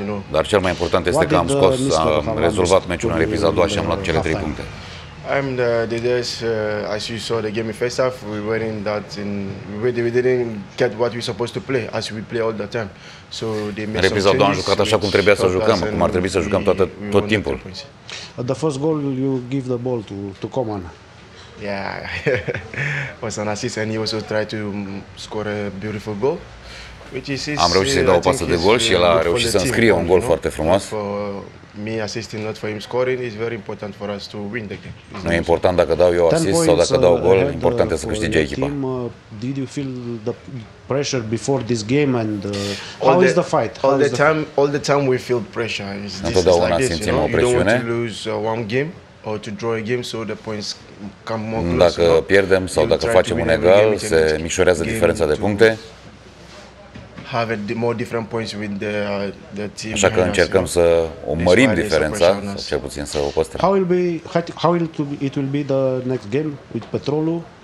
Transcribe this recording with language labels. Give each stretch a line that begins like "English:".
Romanian: Dar cel mai important este că am rezolvat meciul în repriza a doua și am luat cele 3 puncte.
English: I'm the days as you saw the game in first half, we weren't that in we didn't get what we supposed to play as we play all the time. So they made some changes.
Romanian: Am jucat așa cum trebuia să jucăm, cum ar trebui să jucăm tot timpul.
English: At the first goal you give the ball to Coman. Yeah. Was an assist and he also tried to score a beautiful goal.
Romanian: Am reușit să-i dau o pasă de gol și el a reușit să înscrie un gol foarte frumos.
English: Me assisting not for him scoring is very important for us to win the game.
Romanian: Nu e important dacă dau eu assist sau dacă dau gol, important e să câștige echipa.
English: Did you feel the pressure before this game and how is the fight? All the time we feel pressure.
Romanian: Întotdeauna simțim o presiune.
English: You don't want to lose one game or to draw a game so the points come more close.
Romanian: Dacă pierdem sau dacă facem un egal, se micșorează diferența de puncte.
English: Have more different points with the team.
Romanian: Așa că încercăm să o mărim diferența, sau cel puțin să o păstrăm.
English: How will it be the next game with Petrolul?